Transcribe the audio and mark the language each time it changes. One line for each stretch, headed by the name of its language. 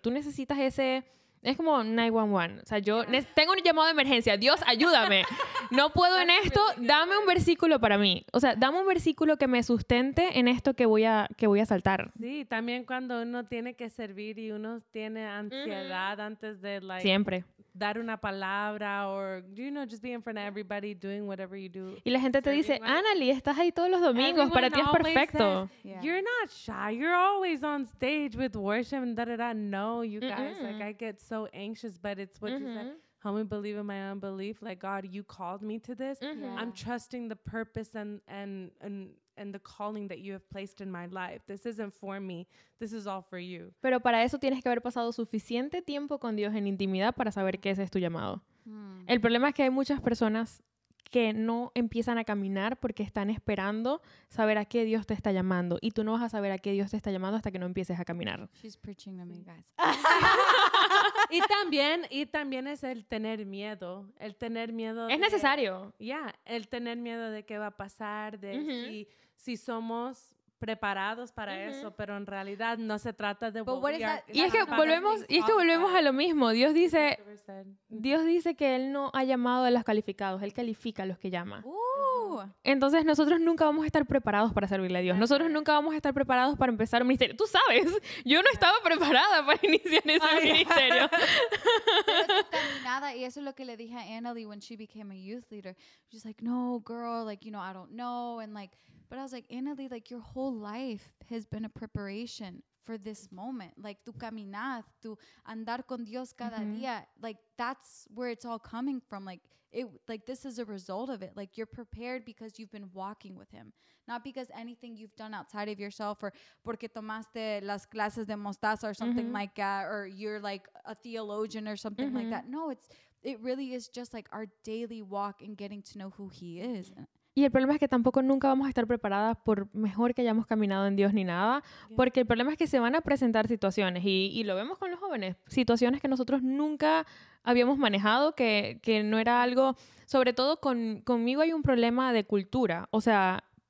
Spanish: Tú necesitas ese... Es como 911. O sea, yo tengo un llamado de emergencia. Dios, ayúdame. No puedo en esto. Dame un versículo para mí. O sea, dame un versículo que me sustente en esto que voy a saltar. Sí, también cuando uno tiene que servir y uno tiene ansiedad antes de, like... Siempre. Dar una palabra
English: or, you know, just be in front of everybody doing whatever you do.
Spanish: Y la gente te dice, Annalie, estás ahí todos los domingos. Para ti es perfecto.
English: Says, yeah. You're not shy. You're always on stage with worship and da-da-da. No, you guys, like, I get so anxious, but it's what you said. Help me believe in my unbelief. Like, God, you called me to this. Yeah. I'm trusting the purpose and the calling that you have placed in my life. This isn't for me. This is all for you.
Spanish: Pero para eso tienes que haber pasado suficiente tiempo con Dios en intimidad para saber que ese es tu llamado. El problema es que hay muchas personas que no empiezan a caminar porque están esperando saber a qué Dios te está llamando. Y tú no vas a saber a qué Dios te está llamando hasta que no empieces a caminar.
English: She's preaching to me, guys.
Spanish: Y también es el tener miedo. El tener miedo. Es necesario. El tener miedo de qué va a pasar, de si somos preparados para eso, pero en realidad no se trata de... Y es que volvemos a lo mismo. Dios dice que Él no ha llamado a los calificados, Él califica a los que llama. Entonces nosotros nunca vamos a estar preparados para servirle a Dios. Nosotros nunca vamos a estar preparados para empezar un ministerio. Tú sabes, yo no estaba preparada para iniciar ese ministerio. Nada, y eso es lo que le dije a Annalie
English: when she became a youth leader. She's like, no, girl, like, you know, I don't know, and like... But I was like, Annalie, like, your whole life has been a preparation for this moment.
Spanish: Like, tu caminar, tu andar con Dios cada día.
English: Like, that's where it's all coming from. Like, this is a result of it. Like, you're prepared because you've been walking with Him. Not because anything you've done outside of yourself or
Spanish: porque tomaste las clases de mostaza
English: or something like that. Or you're, like, a theologian or something like that. No, it really is just, like, our daily walk in getting to know who He is.
Spanish: Y el problema es que tampoco nunca vamos a estar preparadas por mejor que hayamos caminado en Dios ni nada, porque el problema es que se van a presentar situaciones, y lo vemos con los jóvenes, situaciones que nosotros nunca habíamos manejado, que no era algo, sobre todo conmigo hay un problema de cultura, o sea,